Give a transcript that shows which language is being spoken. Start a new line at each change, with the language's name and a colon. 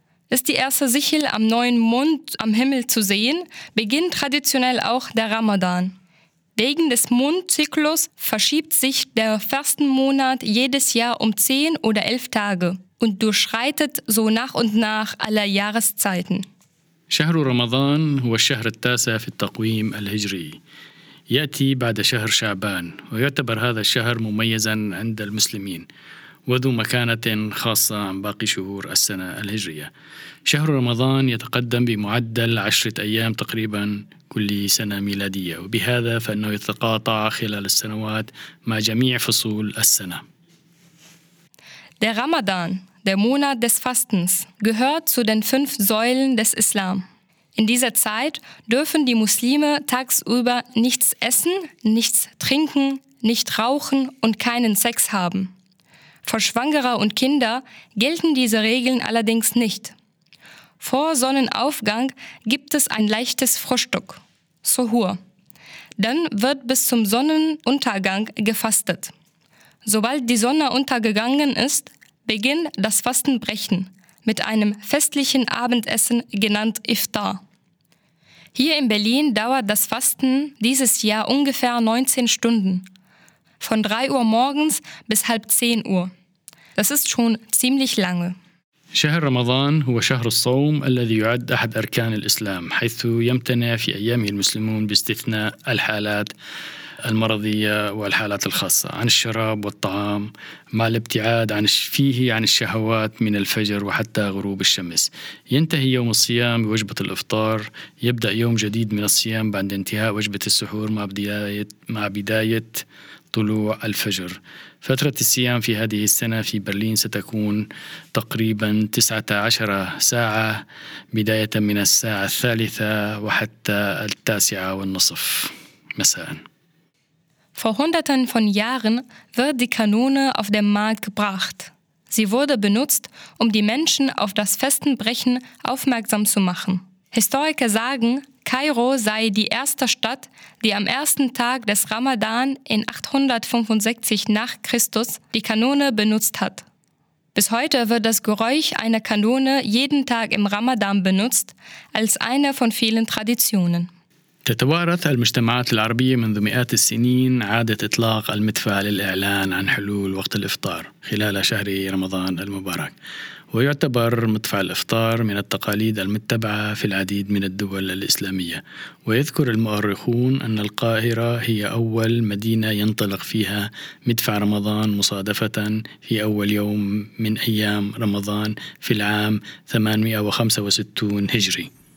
German: Ist die erste Sichel am neuen Mond am Himmel zu sehen, beginnt traditionell auch der Ramadan. Wegen des Mondzyklus verschiebt sich der Fastenmonat jedes Jahr um 10 oder 11 Tage. Und durchschreitet so nach und nach alle Jahreszeiten.
Arabic: شهر رمضان هو الشهر التاسع في التقويم الهجري. يأتي بعد شهر شعبان ويعتبر هذا الشهر مميزا عند المسلمين وذو مكانة خاصة عن باقي شهور السنة الهجرية. شهر رمضان يتقدم بمعدل 10 أيام تقريبا كل سنة ميلادية وبهذا فإنه يتقاطع خلال السنوات مع جميع فصول السنة.
German: Der Ramadan, der Monat des Fastens, gehört zu den 5 Säulen des Islam. In dieser Zeit dürfen die Muslime tagsüber nichts essen, nichts trinken, nicht rauchen und keinen Sex haben. Für Schwangere und Kinder gelten diese Regeln allerdings nicht. Vor Sonnenaufgang gibt es ein leichtes Frühstück, Suhur. Dann wird bis zum Sonnenuntergang gefastet. Sobald die Sonne untergegangen ist, beginnt das Fastenbrechen mit einem festlichen Abendessen genannt Iftar. Hier in Berlin dauert das Fasten dieses Jahr ungefähr 19 Stunden, von 3 Uhr morgens bis halb 10 Uhr. Das ist schon ziemlich lange.
Arabic: شهر رمضان هو شهر الصوم الذي يعد أحد أركان الإسلام حيث يمتنع في أيامه المسلمون باستثناء الحالات المرضية والحالات الخاصة عن الشراب والطعام مع الابتعاد عن فيه عن الشهوات من الفجر وحتى غروب الشمس ينتهي يوم الصيام بوجبة الإفطار يبدأ يوم جديد من الصيام بعد انتهاء وجبة السحور مع بداية طلوع الفجر فترة الصيام في هذه السنة في برلين ستكون تقريبا 19 ساعة بداية من الساعة 3 وحتى 9:30 مساء.
German: Vor hunderten von Jahren wird die Kanone auf den Markt gebracht. Sie wurde benutzt, um die Menschen auf das Fastenbrechen aufmerksam zu machen. Historiker sagen, Kairo sei die erste Stadt, die am ersten Tag des Ramadan in 865 nach Christus die Kanone benutzt hat. Bis heute wird das Geräusch einer Kanone jeden Tag im Ramadan benutzt, als eine von vielen Traditionen.
Arabic: تتوارث المجتمعات العربية منذ مئات السنين عادة إطلاق المدفع للإعلان عن حلول وقت الإفطار خلال شهر رمضان المبارك ويعتبر مدفع الإفطار من التقاليد المتبعة في العديد من الدول الإسلامية ويذكر المؤرخون أن القاهرة هي أول مدينة ينطلق فيها مدفع رمضان مصادفة في أول يوم من أيام رمضان في العام 865 هجري